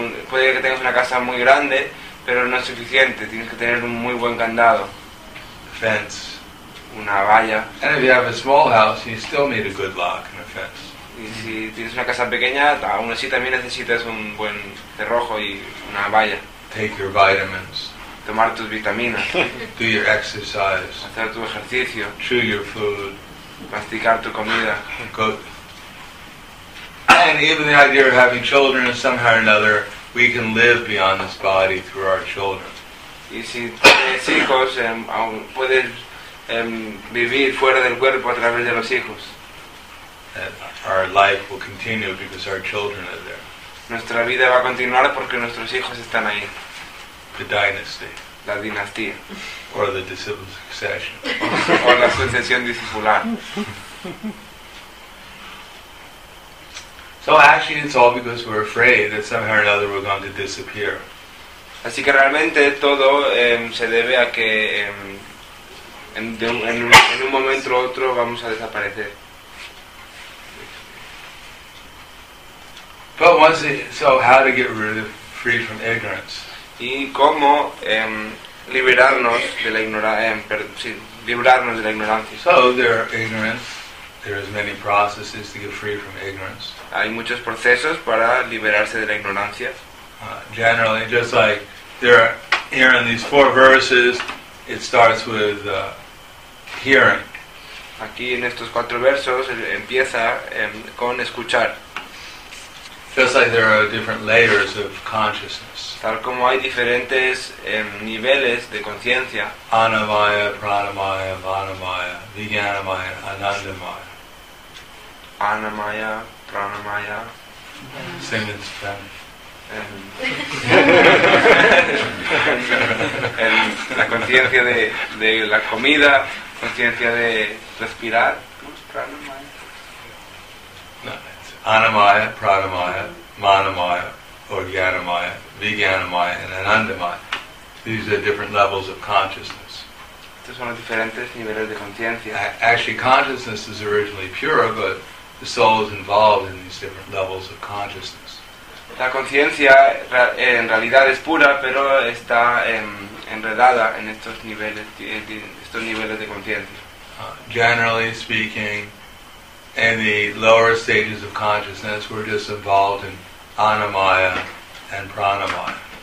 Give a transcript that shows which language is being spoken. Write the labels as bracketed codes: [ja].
[es] Puede que tengas una casa muy grande, pero no es suficiente. Tienes que tener un muy buen candado. [en] Fence. [es] Una valla. [en] And if you have a small house, you still need a good lock and a fence. [es] Y si tienes una casa pequeña, aún así también necesitas un buen cerrojo y una valla. [en] Take your vitamins. [es] Tomar tus vitaminas. [en] Do your exercise. [es] Hacer tu ejercicio. [en] Chew your food. [es] Masticar tu comida. [en] Good. And even the idea of having children is somehow or another, we can live beyond this body through our children. [es] Y si tienes hijos, puedes vivir fuera del cuerpo a través de los hijos. [en] And our life will continue because our children are there. [es] Nuestra vida va a continuar porque nuestros hijos están ahí. [en] The dynasty, [es] la dinastía, [en] or the disciple succession, [es] o la sucesión discipular. [en] So actually, it's all because we're afraid that somehow or another we're going to disappear. [es] Así que realmente todo se debe a que en un momento u otro vamos a desaparecer. [en] But once so how to get rid of free from ignorance? [es] Y cómo liberarnos de la librarnos de la ignorancia. [en] So there are ignorance. There is many processes to get free from ignorance. [es] Hay muchos procesos para liberarse de la ignorancia. [en] Generally, just like there are, here in these four verses, it starts with hearing. [es] Aquí en estos cuatro versos empieza con escuchar. [en] Just like there are different layers of consciousness. [es] Tal como hay diferentes niveles de conciencia. [sa] Anamaya, pranamaya, vanamaya, vijnanamaya, anandamaya. Anamaya, pranamaya. [en] Same in Spanish. [es] La conciencia de la comida, conciencia de respirar. [sa] Pranamaya. Anamaya, pranamaya, manamaya, ojnanamaya, vijnanamaya, and anandamaya. [en] These are different levels of consciousness. [es] Estos son los diferentes niveles de conciencia. [en] Actually, consciousness is originally pure, but the soul is involved in these different levels of consciousness. [es] La conciencia en realidad es pura, pero está enredada en estos niveles de conciencia. [en] Generally speaking, in the lower stages of consciousness, we're just involved in anamaya and pranamaya.